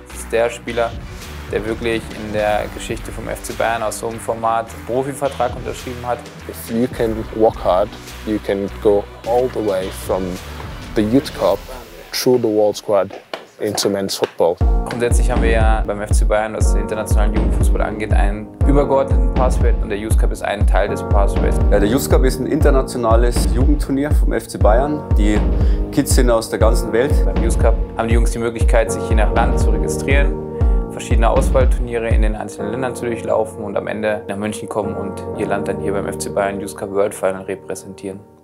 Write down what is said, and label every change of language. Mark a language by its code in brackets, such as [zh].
[de] Das ist der Spieler, der wirklich in der Geschichte vom FC Bayern aus so einem Format einen Profivertrag unterschrieben hat. [en] If you can work hard, you can go all the way from the Youth Cup through the World Squad into men's football. [de] Grundsätzlich haben wir ja beim FC Bayern, was den internationalen Jugendfußball angeht, einen übergeordneten Pathway und der Youth Cup ist ein Teil des Pathways. Ja, der Youth Cup ist ein internationales Jugendturnier vom FC Bayern. Die Kids sind aus der ganzen Welt. Beim Youth Cup haben die Jungs die Möglichkeit, sich je nach Land zu registrieren, verschiedene Auswahlturniere in den einzelnen Ländern zu durchlaufen und am Ende nach München kommen und ihr Land dann hier beim FC Bayern Youth Cup World Final repräsentieren.